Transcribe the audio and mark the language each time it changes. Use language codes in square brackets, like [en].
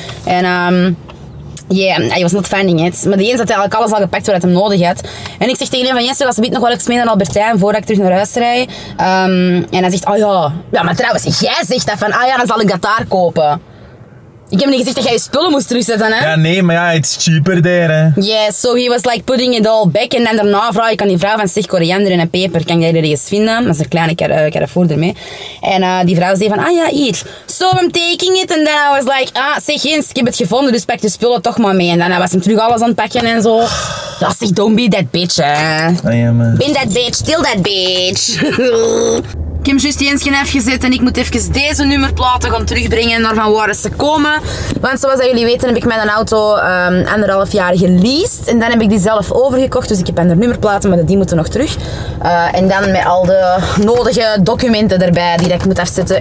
[nl] En hij [en] was not finding it. [nl] Maar die eens had eigenlijk alles al gepakt wat hij nodig had. En ik zeg tegen hem van, Jens, alsjeblieft nog wel eens mee naar Albertijn voordat ik terug naar huis rijd. En hij zegt, oh ja. Ja, maar trouwens, jij zegt dat van, ah ja, dan zal ik dat daar kopen. Ik heb niet gezegd dat jij je spullen moest terugzetten, hè? Ja, nee, maar ja, [en] it's cheaper there, [nl] hè? [en] Yes, yeah, so he was like putting it all back. [nl] En dan daarna vraag ik aan die vrouw van, zeg, koriander en peper, kan jij er eens vinden? Dat is een kleine Carrefour ermee. En die vrouw zei van, ah ja, hier. [en] So I'm taking it. [nl] En dan was like, ah, zeg eens, ik heb het gevonden, dus pak je spullen toch maar mee. En dan was hem terug alles aan het pakken en zo. Ja, zeg, [en] don't be that bitch, hè? I am a... Been that bitch, still that bitch. [nl] Ik heb juist eens afgezet en ik moet even deze nummerplaten gaan terugbrengen naar van waar ze komen. Want zoals jullie weten heb ik mijn auto anderhalf jaar geleased. En dan heb ik die zelf overgekocht. Dus ik heb er nummerplaten, maar die moeten nog terug. En dan met al de nodige documenten erbij die ik moet afzetten.